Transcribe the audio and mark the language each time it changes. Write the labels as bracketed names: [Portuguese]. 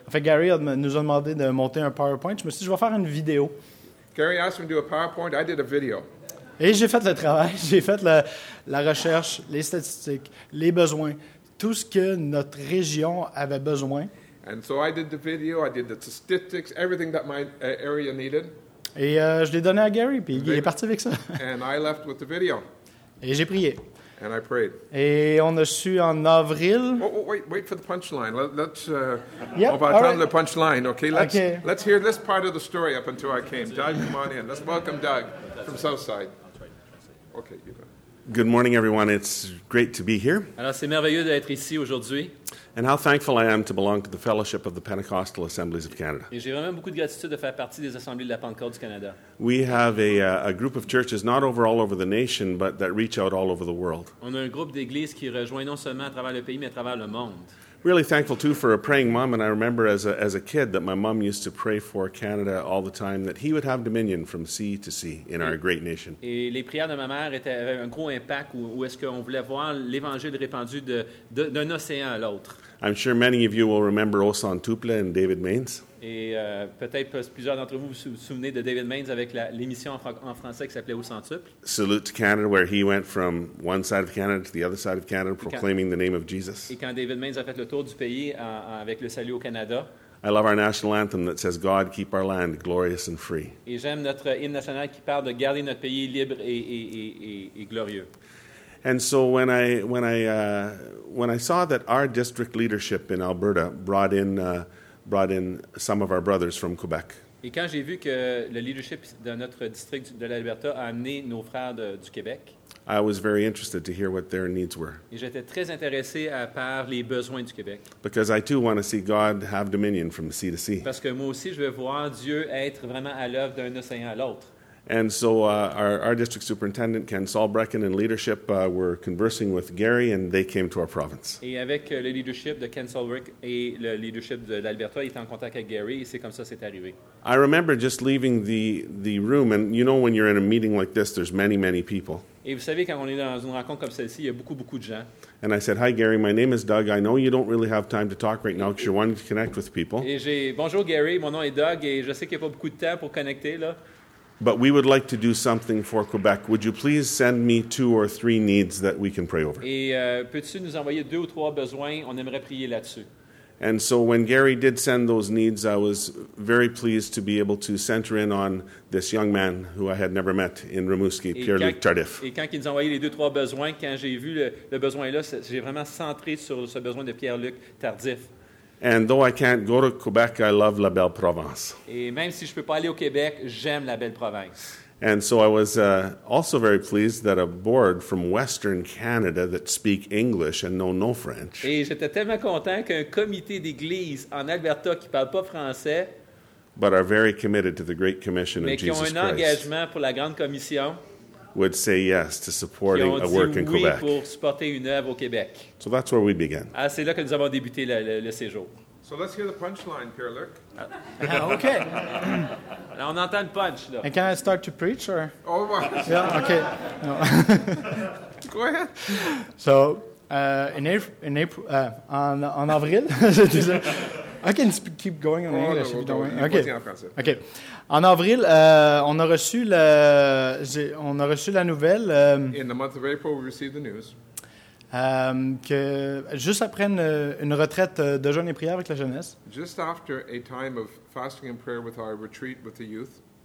[French] Gary nous a demandé de monter un PowerPoint. Je me suis dit, je vais faire une vidéo. [English] Gary asked me to do a PowerPoint. I did a video. [French] Et j'ai fait le travail. J'ai fait la recherche, les statistiques, les besoins. Tout ce que notre région avait besoin. [English] And so I did the video, I did the statistics, everything that my area needed. [French] Et je l'ai donné à Gary, puis il est parti avec ça. [English] And I left with the video. [French] Et j'ai prié. [English] And I prayed. [French] Et on a su en avril. [English] Wait for the punchline. [French] Le punchline, [English] okay? Let's hear this part of the story up until I came. Doug, come on in. Let's welcome Doug from Southside. Okay, you go. Good morning, everyone. It's great to be here. [French] Alors, c'est merveilleux d'être ici aujourd'hui. [English] And how thankful I am to belong to the Fellowship of the Pentecostal Assemblies of Canada. [French] Et j'ai vraiment beaucoup de gratitude de faire partie des assemblées de la Pentecôte du Canada. [English] We have a group of churches not over all over the nation, but that reach out all over the world. [French] On a un groupe d'églises qui rejoint non seulement à travers le pays, mais à travers le monde. [English] Really thankful too for a praying mom, and I remember as a kid that my mom used to pray for Canada all the time, that he would have dominion from sea to sea in our great nation. [French] Et les prières de ma mère avaient un gros impact où est-ce qu'on voulait voir l'évangile répandu d'un océan à l'autre. [English] I'm sure many of you will remember Osan Tuple and David Maines. [French] Et peut-être plusieurs d'entre vous vous souvenez de David Maines avec l'émission en français qui s'appelait Au Centuple. [English] Salute to Canada, where he went from one side of Canada to the other side of Canada proclaiming the name of Jesus. [French] Et quand David Maines a fait le tour du pays avec le salut au Canada. [English] I love our national anthem that says, God, keep our land glorious and free. [French] Et j'aime notre hymne national qui parle de garder notre pays libre et glorieux. [English] And so when I saw that our district leadership in Alberta brought in some of our brothers from Quebec. [French] Et quand j'ai vu que le leadership de notre district de l'Alberta a amené nos frères du Québec, [English] I was very interested to hear what their needs were. [French] Et j'étais très intéressé par les besoins du Québec. [English] Because I too want to see God have dominion from sea to sea. [French] Parce que moi aussi je veux voir Dieu être vraiment à l'œuvre d'un océan à l'autre. [English] And so our district superintendent Ken Saulbrecken and leadership were conversing with Gary, and they came to our province. [French] Et avec le leadership de Ken Saulbrecken et le leadership de l'Alberta, ils étaient en contact avec Gary, et c'est comme ça c'est arrivé. [English] I remember just leaving the room, and you know when you're in a meeting like this, there's many, many people. [French] Et vous savez, quand on est dans une rencontre comme celle-ci, il y a beaucoup, beaucoup de gens. [English] And I said, hi, Gary, my name is Doug. I know you don't really have time to talk right now because you're wanting to connect with people. [French] Et j'ai bonjour, Gary, mon nom est Doug, et je sais qu'il n'y a pas beaucoup de temps pour connecter, là. [English] But we would like to do something for Quebec. Would you please send me two or three needs that we can pray over? [French] Et peux-tu nous envoyer deux ou trois besoins? On aimerait prier là-dessus. [English] And so when Gary did send those needs, I was very pleased to be able to center in on this young man who I had never met in Rimouski, Pierre-Luc Tardif. [French] Et quand il nous a envoyé les deux ou trois besoins, quand j'ai vu le besoin là, j'ai vraiment centré sur ce besoin de Pierre-Luc Tardif. [English] And though I can't go to Quebec, I love [French] la belle province. Et même si je peux pas aller au Québec, j'aime la belle province. [English] And so I was also very pleased that a board from Western Canada that speak English and know no French. [French] Et j'étais tellement content qu'un comité d'église en Alberta qui parle pas français, [English] but are very committed to the Great Commission of Jesus Christ. [French] Mais qui ont un engagement pour la grande commission. [English] Would say yes to supporting a work in Quebec. [French] Pour supporter une œuvre au Québec. [English] So that's where we began. [French] Ah, c'est là que nous avons débuté le séjour. [English] So let's hear the punchline, Pierre-Luc. Okay. [French] Alors, on entend le punch, là. [English] And can I start to preach, or? Oh, my. Yeah, okay. No. Go ahead. [French] So, en avril, je disais... [English] I can keep going in English. No, we'll if you don't go. [French] Okay. Okay. En avril, on a reçu la nouvelle. [English] In the month of April, we received the news. [French] Que juste après une retraite de jeûne et prière avec la jeunesse. [English] Just after a time of fasting and prayer with our retreat with the youth.